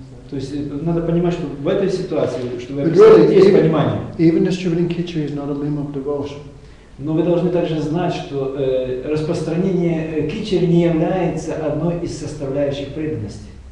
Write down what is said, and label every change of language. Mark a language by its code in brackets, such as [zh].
[ru] То есть надо понимать, что в этой ситуации, что вы описали, есть понимание. [en] Even distributing khichdi is not a limb of devotion. [ru] Но вы должны также знать, что распространение кичери не является одной из составляющих преданности.